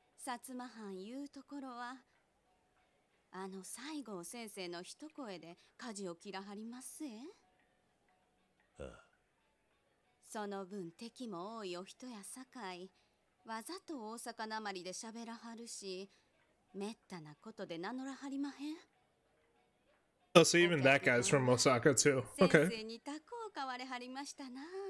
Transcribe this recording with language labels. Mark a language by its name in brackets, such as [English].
[Japanese] 薩摩藩いうところは、あの西郷先生の一声で舵を切らはりますえ。ああ。その分敵も多いお人やさかい、わざと大阪なまりでしゃべらはるし、めったなことで名乗らはりまへん。 [English] Oh, so even that guy's from Osaka too. Okay. [Japanese] 先生にたこを買われはりましたな。